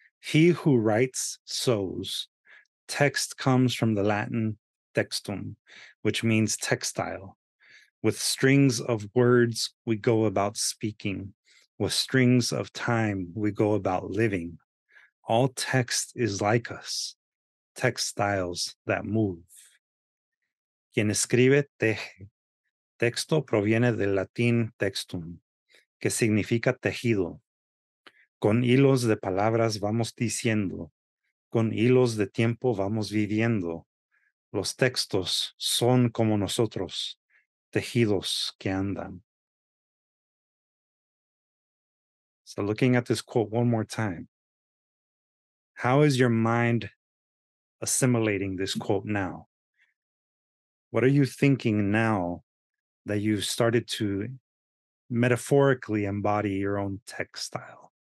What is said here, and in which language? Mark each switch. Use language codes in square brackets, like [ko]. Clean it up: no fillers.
[en] He who writes sews. Text comes from the Latin textum, which means textile. With strings of words, we go about speaking. With strings of time, we go about living. All text is like us, textiles that move. [es] Quien escribe teje. Texto proviene del latín textum, que significa tejido. Con hilos de palabras vamos diciendo. Con hilos de tiempo vamos viviendo. Los textos son como nosotros, tejidos que andan. [en] So looking at this quote one more time. How is your mind assimilating this quote now? What are you thinking now that you've started to metaphorically embody your own textile?